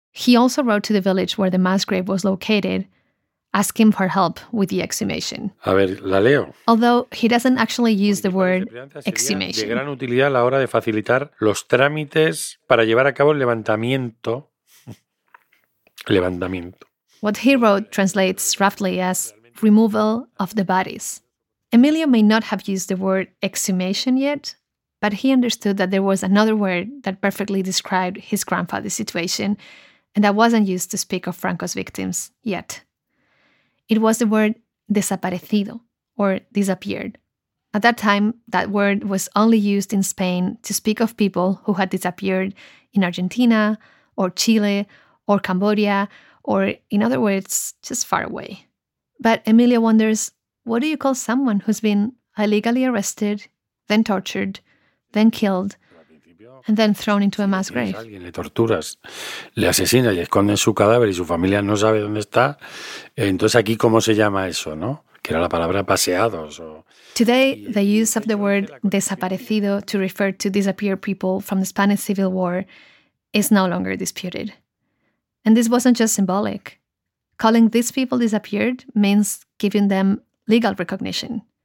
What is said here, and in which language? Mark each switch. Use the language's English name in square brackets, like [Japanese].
[English] He also wrote to the village where the mass grave was located, asking for help with the exhumation. [Spanish] A ver, la leo. [English] Although he doesn't actually use the word exhumation. [Spanish] De gran utilidad a la hora de facilitar los trámites para llevar a cabo el levantamiento. Levantamiento. [English] What he wrote translates roughly as removal of the bodies. Emilio may not have used the word exhumation yet, but he understood that there was another word that perfectly described his grandfather's situation and that wasn't used to speak of Franco's victims yet. It was the word desaparecido, or disappeared. At that time, that word was only used in Spain to speak of people who had disappeared in Argentina, or Chile, or Cambodia, or, in other words, just far away. But Emilio wonders, what do you call someone who's been illegally arrested, then tortured, then killed, and then thrown into a mass grave? [Spanish] Si alguien le torturas, le asesinas y escondes su cadáver y su familia no sabe dónde está, entonces aquí cómo se llama eso, ¿no? Que era la palabra paseados. [English] Today, the use of the word desaparecido to refer to disappeared people from the Spanish Civil War is no longer disputed. And this wasn't just symbolic. Calling these people disappeared means giving them legal recognition.